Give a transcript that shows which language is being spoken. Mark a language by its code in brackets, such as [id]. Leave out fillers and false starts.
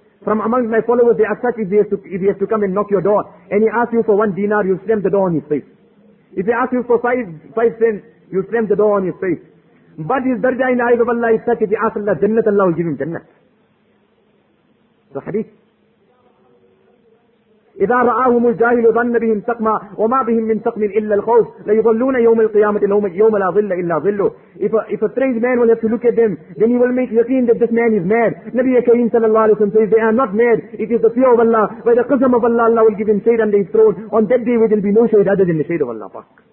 [en] From among my followers, they are such if he has to come and knock your door, and he asks you for one dinar, you slam the door on his face. If he asks you for five cents, you slam the door on his face. But his darja in the eyes of Allah is such, if he asks Allah, jannat, Allah will give him jannat. The hadith. [ar] إذا رآهم الجاهل ظن بهم سقما وما بهم من سقم إلا الخوف ليظلون يوم القيامة يوم لا ظل إلا ظله. [en] If a strange man will have to look at them, then he will make yakin that this man is mad. Nabi Kareem sallallahu alayhi wa sallam says, they are not mad. It is the fear of Allah. By the qism of Allah, Allah will give him shade under his throne. On that day, there will be no shade other than the shade of Allah. Fuck.